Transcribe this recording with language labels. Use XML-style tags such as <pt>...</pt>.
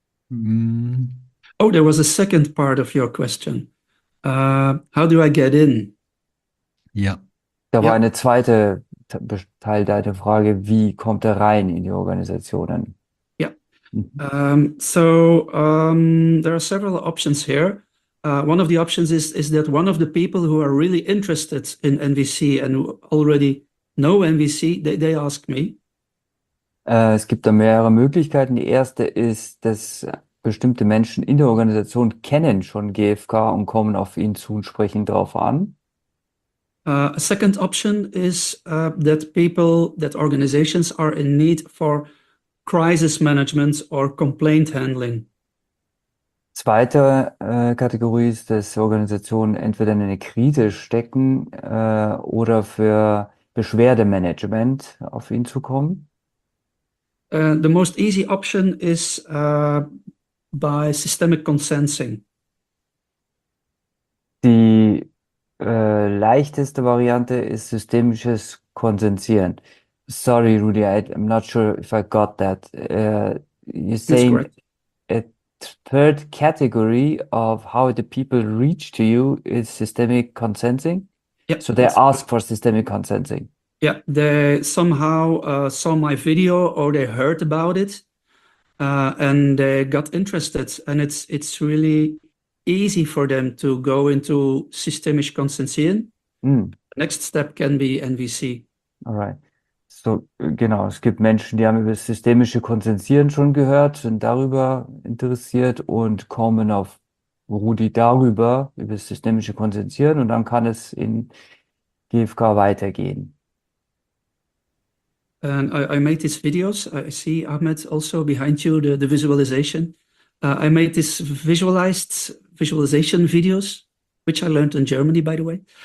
<en>Oh, there was a second part of your question. How do I get in? Ja.</en> <de>Da war eine zweite Teil deiner Frage, wie kommt er rein in die Organisationen?</de> <en>There are several options here. One of the options is that one of the people who are really interested in NVC and who already know NVC, they ask me.</en> <de>Es gibt da mehrere Möglichkeiten. Die erste ist, dass bestimmte Menschen in der Organisation kennen schon GFK und kommen auf ihn zu und sprechen darauf an.</de> <en>A second option is that people, that organizations are in need for crisis management or complaint handling.</en> <de>Zweite Kategorie ist, dass Organisationen entweder in eine Krise stecken oder für Beschwerdemanagement auf ihn zukommen.</de> <en>The most easy option is by systemic consensing.</en> <de>Die leichteste Variante ist systemisches Konsensieren.</de> <en>Sorry, Rudy, I'm not sure if I got that. You're saying a third category of how the people reach to you is systemic consensing? Yep, so they ask for systemic consensing. Yeah, they somehow saw my video or they heard about it and they got interested. And it's really easy for them to go into systemisch consensing. Mm. Next step can be NVC. All right.</en> <de>So, genau, es gibt Menschen, die haben über das systemische Konsensieren schon gehört, sind darüber interessiert und kommen auf Rudi darüber, über das systemische Konsensieren und dann kann es in GFK weitergehen.</de> <en>And I made these videos. I see Ahmed also behind you, the visualization. I made these visualization videos. which I learned in Germany, by the way.</en>